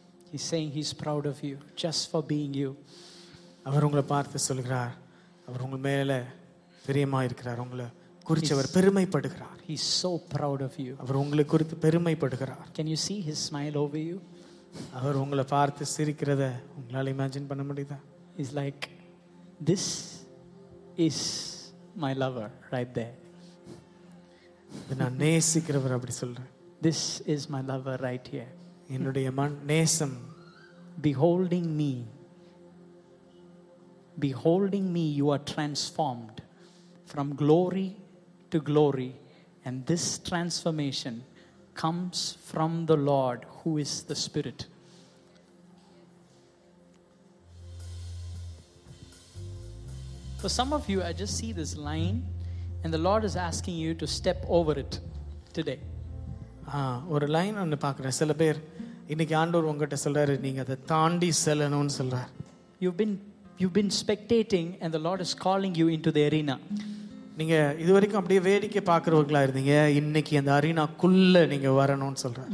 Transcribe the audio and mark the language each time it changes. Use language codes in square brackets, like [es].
[en] He's saying he's proud of you just for being you. [ta] அவருங்களை பார்த்து சொல்கிறார், அவர் உங்க மேல பிரியமா இருக்கிறார், உங்களை குறித்து அவர் பெருமைப்படுகிறார். [en] He's so proud of you. [ta] அவர் உங்களை குறித்து பெருமைப்படுகிறார். [en] Can you see his smile over you? [ta] அவர் உங்களை பார்த்து சிரிக்கிறத உங்களால இமேஜின் பண்ண முடியுதா? [en] He's like, this is my lover right there. [ta] நான் நேசிக்கிறவர் அப்படி சொல்றேன். [en] This is my lover right here. [ta] என்னுடைய நேசம். [en] Beholding me. Beholding me, you are transformed from glory to glory. And this transformation comes from the Lord who is the Spirit. For some of you, I just see this line and the Lord is asking you to step over it today. [ta] ஒரு line ஒன்று பார்க்குறேன். சில பேர் இன்னைக்கு ஆண்டவர் உங்ககிட்ட சொல்றாரு, நீங்க அதை தாண்டி செல்லணும்னு சொல்றார். [en] You've been spectating and the Lord is calling you into the arena. [ta] நீங்க இதுவரைக்கும் அப்படியே வேடிக்கை பார்க்குறவங்களா இருந்தீங்க, இன்னைக்கு அந்த அரீனாக்குள்ள நீங்க வரணும்னு சொல்றார்.